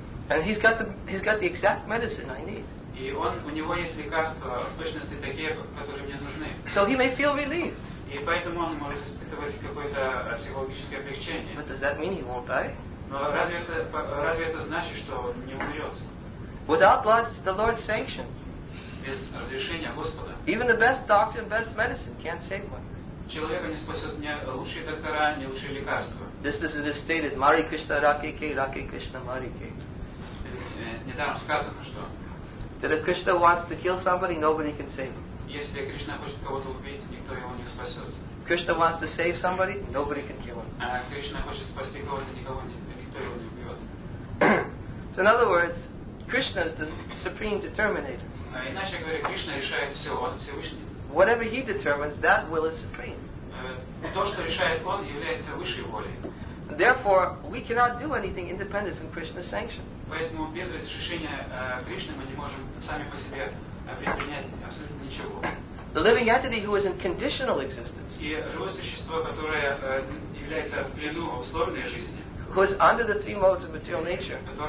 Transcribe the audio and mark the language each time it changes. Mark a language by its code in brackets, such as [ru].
[en] And he's got the exact medicine I need. [ru] И он, у него есть лекарства, в точности такие, которые мне нужны. [en] So he may feel relieved. [ru] И поэтому он может испытывать какое-то психологическое облегчение. [en] But does that mean he won't die? [ru] Но разве это значит, что он не умрет? [en] Without the Lord's sanction. [ru] Без разрешения Господа. [en] Even the best doctor and best medicine can't save one. [ru] Человека не спасет ни лучшие доктора, ни лучшие лекарства. [en] This is it stated, [hi] Mari Krishna Rake Ke, Rake Krishna Mari Ke. [ru] Недавно сказано, что [en] that if Krishna wants to kill somebody, nobody can save him. [ru] Если Кришна хочет кого-то убить, никто его не спасет. [en] Krishna wants to save somebody, nobody can kill him. [ru] Кришна хочет спасти кого-то, никто его не убьет. [en] So in other words, Krishna is the supreme determinator. [ru] Иначе говоря, Кришна решает все, он Всевышний. [en] Whatever he determines, that will is supreme. [ru] То, что решает он, является высшей волей. [en] Therefore, we cannot do anything independent from Krishna's sanction. [ru] Поэтому без разрешения Кришны мы не можем сами по себе предпринять абсолютно ничего. [en] The living entity who is in conditional existence. [ru] И живое существо, которое является в плену условной жизни. [en] Who is under the three modes of material nature.